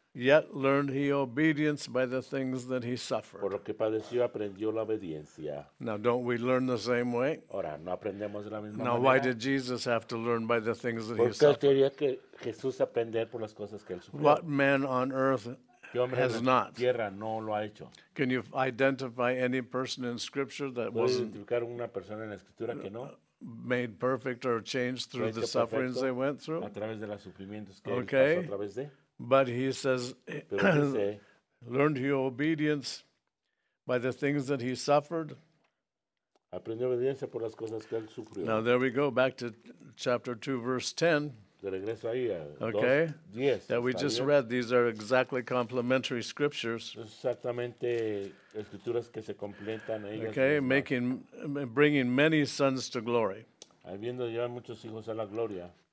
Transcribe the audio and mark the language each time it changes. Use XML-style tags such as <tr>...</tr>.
<en>Yet learned he obedience by the things that he suffered.</en> <es>Por lo que padeció, aprendió la obediencia.</es> <en>Now don't we learn the same way?</en> <es>Ahora, ¿no aprendemos de la misma</es> <en>now</en> <es>manera?</es> <en>Why did Jesus have to learn by the things that</en> <es>porque</es> <en>he suffered?</en> <es>Porque tenía que Jesús aprender por las cosas que él sufrió.</es> <en>What man on earth has not.</en> <es>Tierra, no lo ha hecho.</es> <en>Can you identify any person in Scripture that wasn't</en> <es>una persona en la escritura que no?</es> <en>Made perfect or changed through the sufferings they went through?</en> <es>A través de los sufrimientos que</es> <en>okay.</en> <es>Él pasó a través de.</es> <en>But he says,</en> <es>dice,</es> <en>learned your obedience by the things that he suffered.</en> <es>Aprendió obediencia por las cosas que él sufrió.</es> <en>Now there we go, back to chapter 2, verse 10. Okay, that we just read, these are exactly complementary scriptures.</en> <es>Exactamente, escrituras que se complementan a ellas.</es> <en>Okay, making, bringing many sons to glory.</en> <es>Habiendo llevar muchos hijos a la gloria.</es>